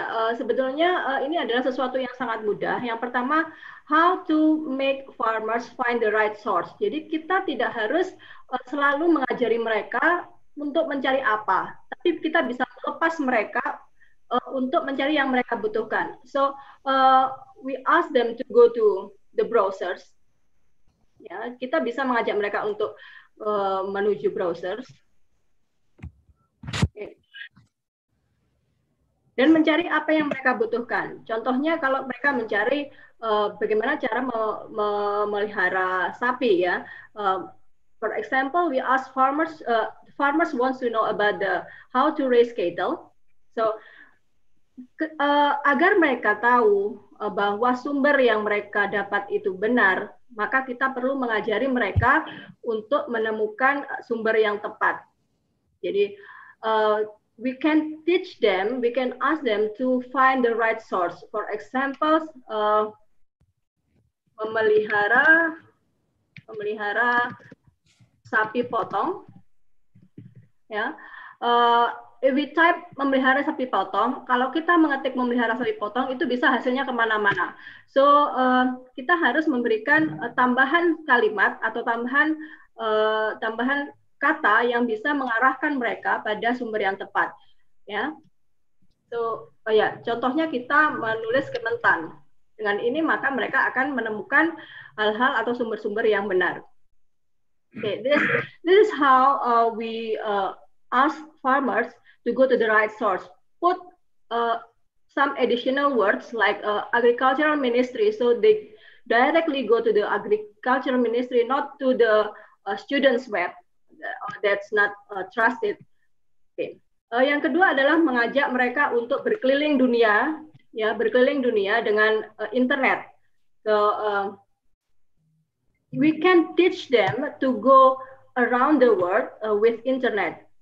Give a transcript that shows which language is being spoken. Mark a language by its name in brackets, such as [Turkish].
[Indonesian] Sebetulnya ini adalah sesuatu yang sangat mudah. Yang pertama, [English] how to make farmers find the right source. [Indonesian] Jadi kita tidak harus selalu mengajari mereka untuk mencari apa, tapi kita bisa melepas mereka untuk mencari yang mereka butuhkan. [English] So we ask them to go to the browsers. [Indonesian] Ya, kita bisa mengajak mereka untuk menuju browsers. Dan mencari apa yang mereka butuhkan. Contohnya kalau mereka mencari bagaimana cara memelihara sapi ya. [English] For example, we ask farmers farmers wants to know about the how to raise cattle. [Indonesian] So agar mereka tahu bahwa sumber yang mereka dapat itu benar, maka kita perlu mengajari mereka untuk menemukan sumber yang tepat. [English] Jadi we can teach them, we can ask them to find the right source. For example, [Indonesian] memelihara sapi potong. Ya, [English] if we type [Indonesian] memelihara sapi potong, kalau kita mengetik memelihara sapi potong, itu bisa hasilnya kemana-mana. So, kita harus memberikan tambahan kalimat atau tambahan kata yang bisa mengarahkan mereka pada sumber yang tepat. Ya, so contohnya kita menulis kementan. Dengan ini maka mereka akan menemukan hal-hal atau sumber-sumber yang benar. [English] Okay, this is how we ask farmers to go to the right source. Put some additional words like agricultural ministry, so they directly go to the agricultural ministry, not to the students' web. That's not trusted. Okay. [Indonesian] Yang kedua adalah mengajak mereka untuk berkeliling dunia, ya berkeliling dunia dengan internet. [English] So, we can teach them to go around the world with internet.